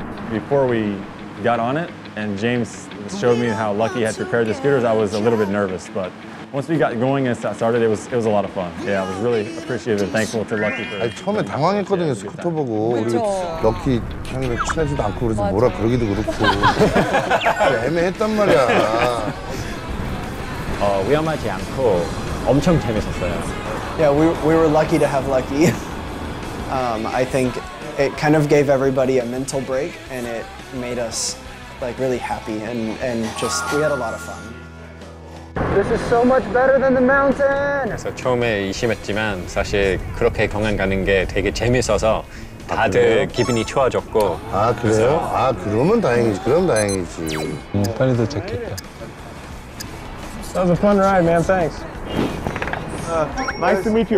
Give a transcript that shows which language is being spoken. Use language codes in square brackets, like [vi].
[en] Before we got on it, and James showed me how Lucky had prepared the scooters, I was a little bit nervous. But once we got going and started, it was a lot of fun. Yeah, I was really appreciative and thankful to Lucky for. [ko] 아니 처음에 당황했거든요 스쿠터 보고 우리 럭키 형이랑 친하지도 않고 그러지 뭐라 그러기도 그렇고 애매했단 말이야. 위험하지 않고 엄청 재밌었어요. [en] Yeah, we were lucky to have Lucky. I think it kind of gave everybody a mental break and it made us. Like really happy and just we had a lot of fun. This is so much better than the mountain. [ko] 그래서 처음에 의심했지만 사실 그렇게 공항 가는 게 되게 재밌어서 다들 아, 기분이 좋아졌고. 아 그래요? 아 그러면 다행이지. 그럼 다행이지. 빨리 도착했다. [en] That was a fun ride, man. Thanks. Nice to meet you.